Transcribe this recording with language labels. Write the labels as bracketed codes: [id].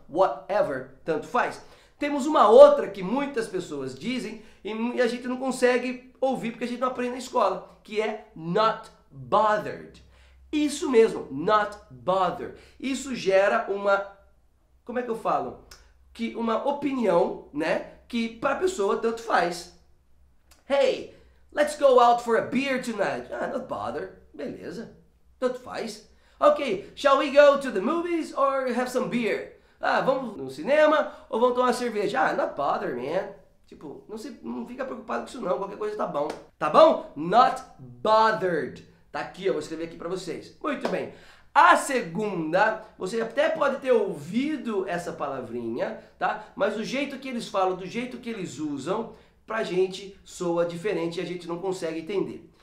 [pt] Whatever, tanto faz. Temos uma outra que muitas pessoas dizem e a gente não consegue ouvir porque a gente não aprende na escola, que é not bothered. Isso mesmo, not bothered. Isso gera uma, como é que eu falo? Que uma opinião, né? Que para a pessoa tanto faz. [en] Hey, let's go out for a beer tonight. Ah, not bother. [pt] Beleza. Tanto faz. [en] Okay, shall we go to the movies or have some beer? [pt] Ah, vamos no cinema ou vamos tomar cerveja? [en] Ah, not bother, man. [pt] Tipo, não fica preocupado com isso não. Qualquer coisa tá bom. Tá bom? Not bothered. Tá aqui, eu vou escrever aqui para vocês. Muito bem. A segunda, você até pode ter ouvido essa palavrinha, tá? Mas o jeito que eles falam, do jeito que eles usam, pra gente soa diferente e a gente não consegue entender.